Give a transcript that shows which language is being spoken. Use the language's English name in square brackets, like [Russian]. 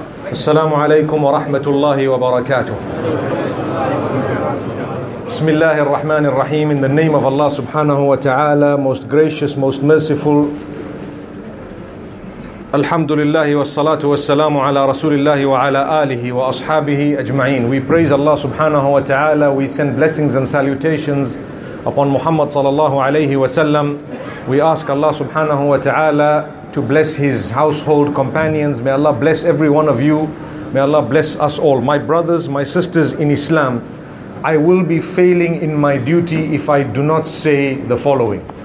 [Arabic] السلام عليكم ورحمة الله وبركاته. بسم الله الرحمن الرحيم. [English] In the name of Allah سبحانه وتعالى, most gracious, most merciful. [Arabic] الحمد لله والصلاة والسلام على رسول الله وعلى آله وأصحابه أجمعين. [English] We praise Allah سبحانه وتعالى. We send blessings and salutations upon Muhammad صلى الله عليه وسلم. We ask Allah سبحانه وتعالى to bless his household companions. May Allah bless every one of you. May Allah bless us all. My brothers, my sisters in Islam, I will be failing in my duty if I do not say the following.